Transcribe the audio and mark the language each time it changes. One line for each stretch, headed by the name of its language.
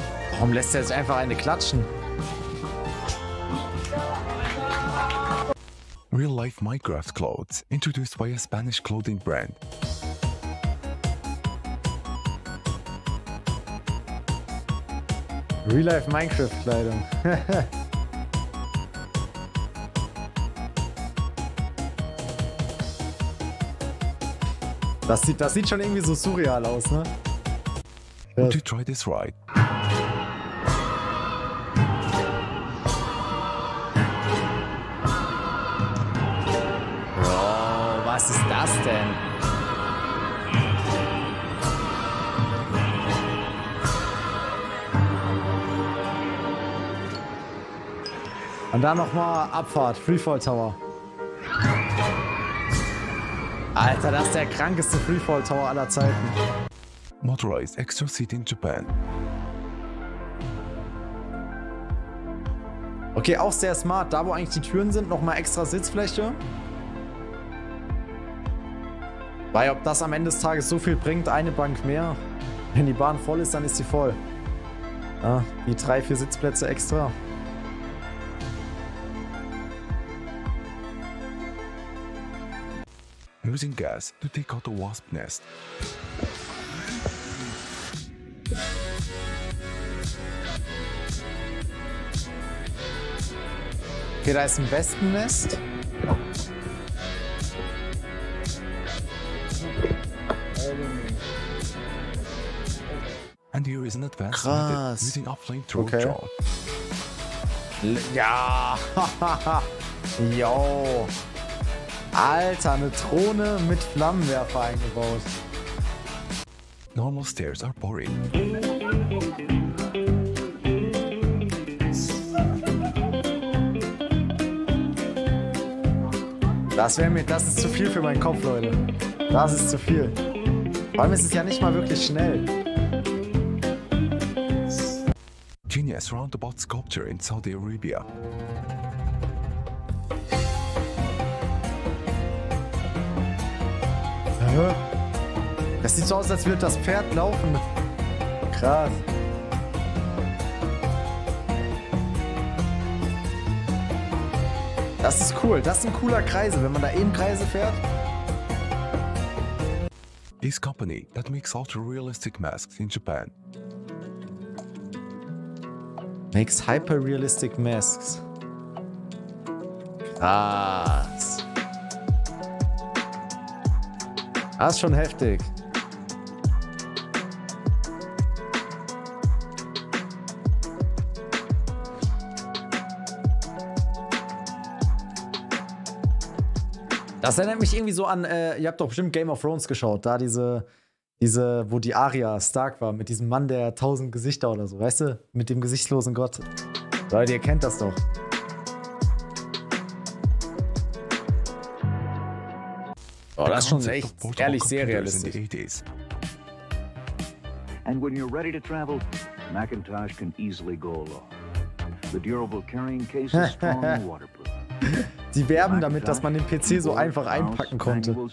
German: Warum lässt er jetzt einfach eine klatschen?
English: Real life Minecraft clothes introduced by a Spanish clothing brand. Real life
German: Minecraft Kleidung. Das sieht schon irgendwie so surreal aus, ne?
English: Would you try this ride?
German: Was ist das denn? Und dann nochmal Abfahrt, Freefall Tower. Alter, das ist der krankeste Freefall Tower aller Zeiten.
English: Motorized extra seat in Japan.
German: Okay, auch sehr smart. Da, wo eigentlich die Türen sind, nochmal extra Sitzfläche. Weil ob das am Ende des Tages so viel bringt, eine Bank mehr. Wenn die Bahn voll ist, dann ist sie voll. Ja, die 3-4 Sitzplätze extra.
English: Using gas to take out the wasp nest.
German: Okay, da ist ein Wespennest.
English: And here is an advanced method using a flamethrower. Okay.
German: Ja, yo, Alter, eine Drohne mit Flammenwerfer eingebaut.
English: Normal stairs are boring.
German: Das ist zu viel für meinen Kopf, Leute. Das ist zu viel. Vor allem ist es ja nicht mal wirklich schnell.
English: Genius roundabout sculpture in Saudi Arabia.
German: Das sieht so aus, als würde das Pferd laufen. Krass. Das ist cool, das ist ein cooler Kreisel, wenn man da eben Kreise fährt.
English: This company that makes ultra-realistic masks in Japan. Makes hyper-realistic masks.
German: Krass. Das ist schon heftig. Das erinnert mich irgendwie so an, ihr habt doch bestimmt Game of Thrones geschaut, da diese, Diese, wo die Arya Stark war, mit diesem Mann, der 1000 Gesichter oder so, weißt du? Mit dem gesichtslosen Gott. Leute, ihr kennt das doch. Oh, das ist schon echt, ehrlich, sehr realistisch.
English: And when you're ready to travel, Macintosh can easily go along. The durable carrying case is strong and waterproof.
German: Sie werben damit, dass man den PC so einfach einpacken konnte.